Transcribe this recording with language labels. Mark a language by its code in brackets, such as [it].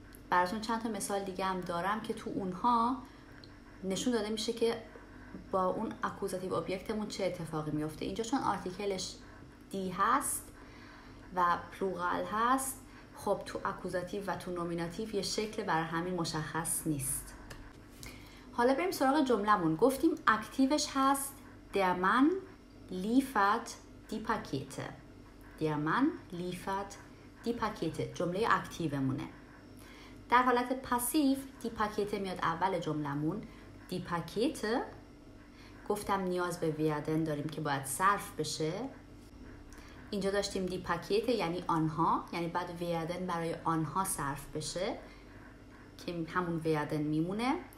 [fa] براتون چند تا مثال دیگه هم دارم که تو اونها نشون داده میشه که با اون اکوزاتیو اوبیکتمون چه اتفاقی میفته. اینجا چون آرتیکلش دی هست و پلورال هست، خب تو اکوزاتیو و تو نومیناتیو یه شکل برای همین مشخص نیست. حالا بریم سراغ جملمون. گفتیم اکتیوش هست [de] Der Mann liefert die Pakete. Der Mann liefert die Pakete. [fa] جمله اکتیومونه. در حالت پاسیو دی پاکته میاد اول جملمون. دی پاکته، گفتم نیاز به ویادن داریم که باید صرف بشه. اینجا داشتیم دی پاکیت یعنی آنها، یعنی بعد ویادن برای آنها صرف بشه که همون ویادن میمونه.